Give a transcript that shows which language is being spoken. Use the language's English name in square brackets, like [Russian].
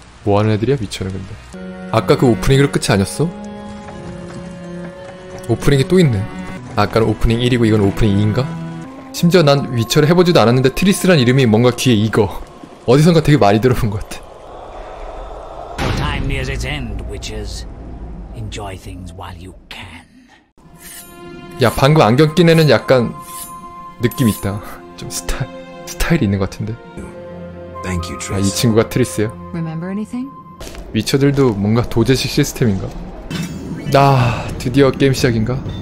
[Korean] 뭐하는 애들이야 위쳐는 근데. 아까 그 오프닝으로 끝이 아니었어? 오프닝이 또 있네. 아까는 오프닝 1이고 이건 오프닝 2인가? 심지어 난 위쳐를 해보지도 않았는데 트리스란 이름이 뭔가 귀에 익어. 어디선가 되게 많이 들어본 것 같아. [English] Your time nears its end, witches. Enjoy things while you can. [Korean] 야, 방금 안경 낀 애는 약간 느낌 있다. 좀 스타일이 있는 것 같은데. [English] Thank you, Triss. [Korean] 아, 이 친구가 트리스야? [English] Remember anything? [Korean] 위쳐들도 뭔가 도제식 시스템인가? 나 아, 드디어 게임 시작인가?